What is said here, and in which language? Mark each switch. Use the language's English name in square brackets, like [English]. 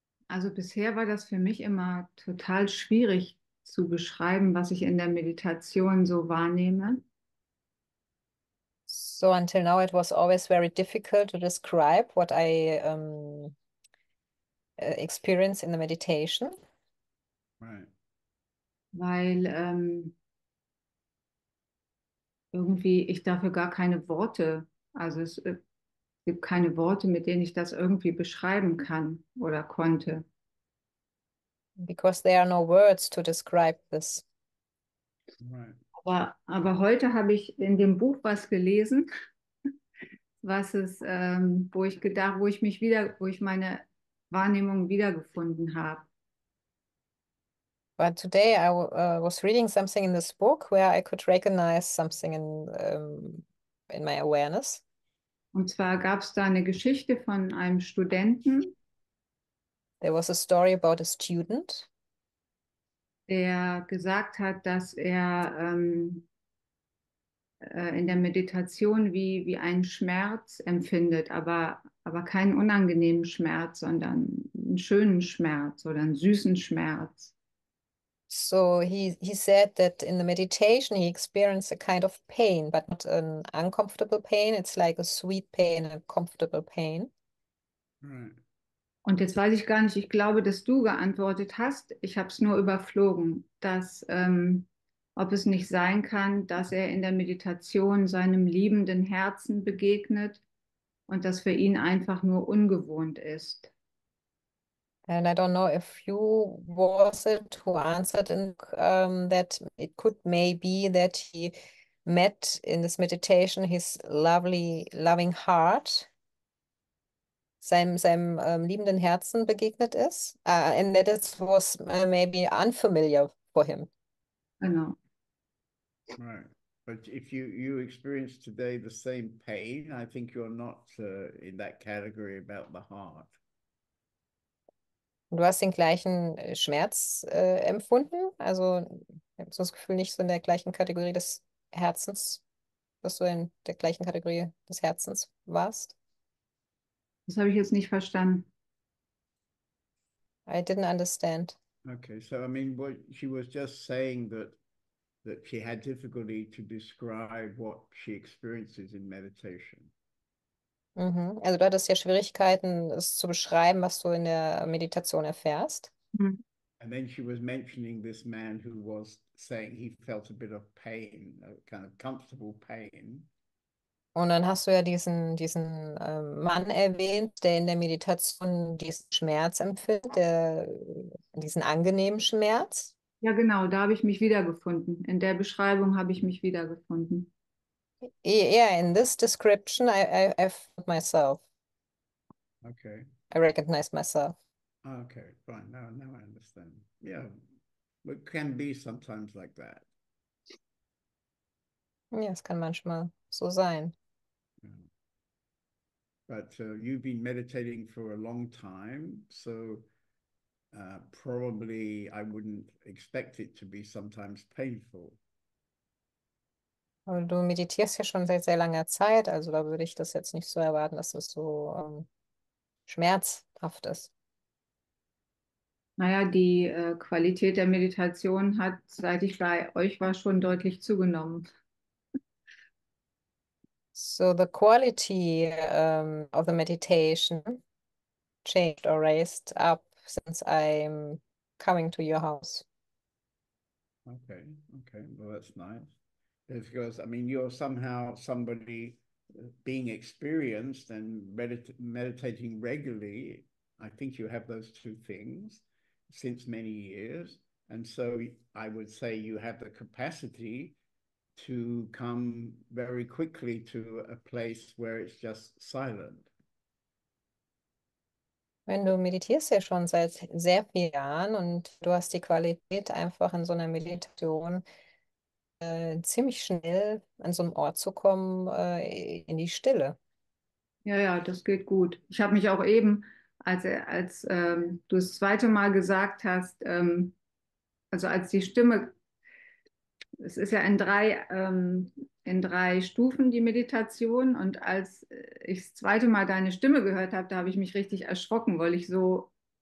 [German] Also bisher war das für mich immer total schwierig zu beschreiben, was ich in der Meditation so wahrnehme. [English] So, until now, it was always very difficult to describe what I experience in the meditation. Right. [German] Weil irgendwie ich dafür gar keine Worte, also es gibt keine Worte, mit denen ich das irgendwie beschreiben kann oder konnte. [English] Because there are no words to describe this. Right. [German] Aber heute habe ich in dem Buch was gelesen, was es, wo ich gedacht, wo ich meine Wahrnehmung wiedergefunden habe. [English] But today I was reading something in this book where I could recognize something in my awareness. [German] Und zwar gab es da eine Geschichte von einem Studenten, [English] There was a story about a student. [German] der gesagt hat, dass er in der Meditation wie einen Schmerz empfindet, aber keinen unangenehmen Schmerz, sondern einen schönen Schmerz oder einen süßen Schmerz. [English] So he said that in the meditation he experienced a kind of pain, but not an uncomfortable pain. It's like a sweet pain, a comfortable pain. Right. [German] Und jetzt weiß ich gar nicht, ich glaube, dass du geantwortet hast. Ich habe es nur überflogen, dass ob es nicht sein kann, dass er in der Meditation seinem liebenden Herzen begegnet und das für ihn einfach nur ungewohnt ist. [English] And I don't know if you was it who answered in, that it could maybe that he met in this meditation his lovely loving heart, [German] seinem liebenden Herzen begegnet ist, [English] and that it was maybe unfamiliar for him. [German] Genau. [English] Right, but if you experience today the same pain, I think you're not in that category about the heart. [German] Du hast den gleichen Schmerz empfunden, also ich habe so das Gefühl, nicht so in der gleichen Kategorie des Herzens, dass du in der gleichen Kategorie des Herzens warst. Das habe ich jetzt nicht verstanden. [English] I didn't understand. Okay, so I mean, what she was just saying that she had difficulty to describe what she experiences in meditation. [German] Also du hattest ja Schwierigkeiten, es zu beschreiben, was du in der Meditation erfährst. [English] And then she was mentioning this man who was saying he felt a bit of pain, a kind of comfortable pain. [German] Und dann hast du ja diesen Mann erwähnt, der in der Meditation diesen Schmerz empfindet, diesen angenehmen Schmerz. Ja, genau, da habe ich mich wiedergefunden. In der Beschreibung habe ich mich wiedergefunden. [English] Yeah, in this description, I found myself. Okay. I recognize myself. Okay, fine. Now I understand. Yeah, it can be sometimes like that. [German] Ja, es kann manchmal so sein. [English] But you've been meditating for a long time, so probably I wouldn't expect it to be sometimes painful. [German] Aber du meditierst ja schon seit sehr langer Zeit, also da würde ich das jetzt nicht so erwarten, dass das so schmerzhaft ist. Naja, die Qualität der Meditation hat, seit ich bei euch war, schon deutlich zugenommen. [English] So the quality of the meditation changed or raised up since I'm coming to your house. Okay, well, that's nice. Because, I mean, you're somehow somebody being experienced and meditating regularly. I think you have those two things since many years. And so I would say you have the capacity to come very quickly to a place where it's just silent. [German] Wenn du meditierst ja schon seit sehr vielen Jahren und du hast die Qualität, einfach in so einer Meditation ziemlich schnell an so einen Ort zu kommen, in die Stille. Ja, das geht gut. Ich habe mich auch eben, als du das zweite Mal gesagt hast, also als die Stimme, es ist ja in drei Stufen die Meditation, und als ich das zweite Mal deine Stimme gehört habe, da habe ich mich richtig erschrocken, weil ich so